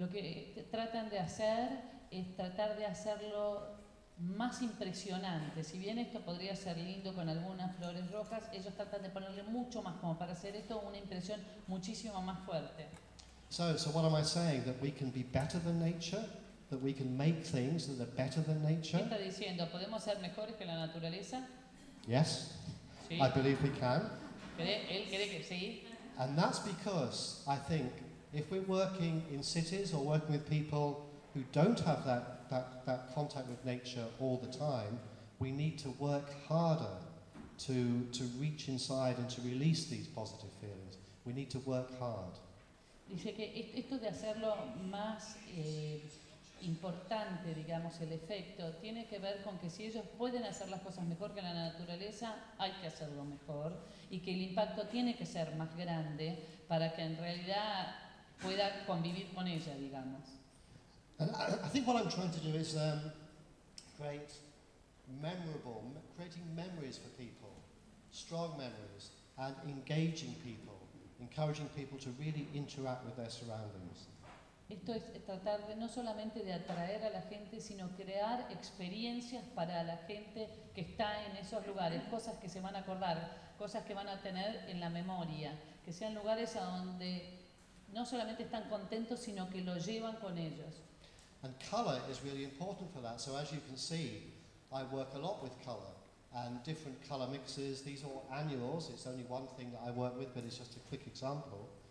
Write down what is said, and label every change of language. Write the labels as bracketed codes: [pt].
[es] Lo que tratan de hacer es tratar de hacerlo más impresionante. Si bien esto podría ser lindo con algunas flores rojas, ellos tratan de ponerle mucho más, como para hacer esto una impresión muchísimo más fuerte. [en] So what am I saying? That we can be better than nature? That we can make things that are better than nature? [es] ¿Qué está diciendo? ¿Podemos ser mejores que la naturaleza? [en] Yes. [es] Sí. [en] I believe we can. [es] Él cree que sí. [en] And that's because, I think, if we're working in cities or working with people who don't have that contact with nature all the time, we need to work harder to reach inside and to release these positive feelings. We need to work hard. [es] Dice que esto de hacerlo más importante, digamos, el efecto, tiene que ver con que si ellos pueden hacer las cosas mejor que la naturaleza, hay que hacerlo mejor, y que el impacto tiene que ser más grande para que en realidad pueda convivir con ella, digamos. [en] And I think what I'm trying to do is creating memories for people, strong memories, and engaging people, encouraging people to really interact with their surroundings. [es] Esto es tratar de no solamente de atraer a la gente, sino crear experiencias para la gente que está en esos lugares, cosas que se van a acordar, cosas que van a tener en la memoria, que sean lugares a donde no solamente están contentos, sino que lo llevan con ellos. [en] And color is really important for that. So as you can see, I work a lot with color and different color mixes. These are annuals. It's only one thing that I work with, but it's just a quick example.